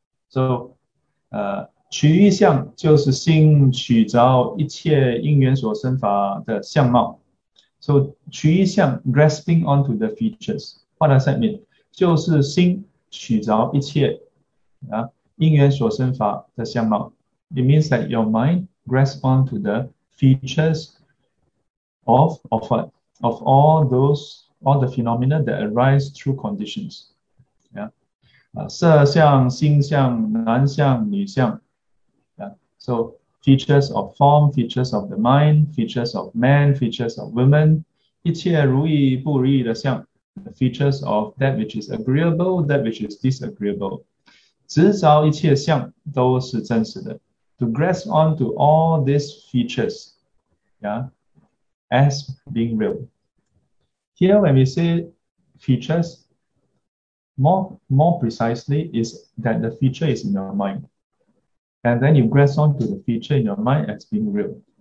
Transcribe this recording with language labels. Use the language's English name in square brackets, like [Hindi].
[Chinese] So, 取于相就是心取着一切因缘所生法的相貌。 [English] So, 取一相, grasping onto the features. What does that mean? [Chinese] 就是心取着一切因缘所生法的相貌。 [English] It means that your mind grasps onto the features of all those, all the phenomena that arise through conditions. [Chinese] Yeah? 色相、心相、男相、女相.Yeah? [English] So,Features of form, features of the mind, features of man, features of women, 一切如意不如意的相, the features of that which is agreeable, that which is disagreeable. [Chinese] 执着一切相都是真实的. [English] To grasp onto all these features, yeah, as being real. Here when we say features, more precisely is that the feature is in your mind.And then you grasp onto the feature in your mind as being real.